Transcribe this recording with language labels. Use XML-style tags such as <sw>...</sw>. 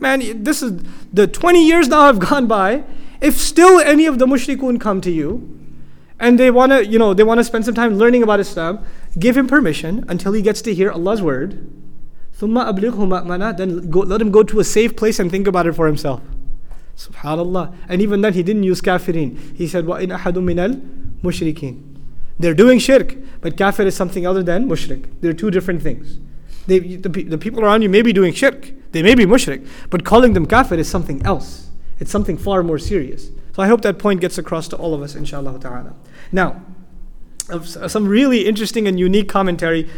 <en>Man, this is the 20 years now have gone by. If still any of the mushrikun come to you, and they want to, you know, they want to spend some time learning about Islam, give him permission until he gets to hear Allah's word.</en> <ar>ثُمَّ أَبْلِغْهُ مَأْمَنَا.</ar> <en>Then go, let him go to a safe place and think about it for himself. SubhanAllah. And even then he didn't use kafirin. He said,</en> <ar>وَإِنْ أَحَدٌ مِنَ الْمُشْرِكِينَ.</ar> <en>They're doing shirk, but kafir is something other than mushrik. They're two different things. The people around you may be doing shirk. They may be mushrik. But calling them kafir is something else. It's something far more serious. So I hope that point gets across to all of us, inshallah ta'ala. Now, some really interesting and unique commentary.</en>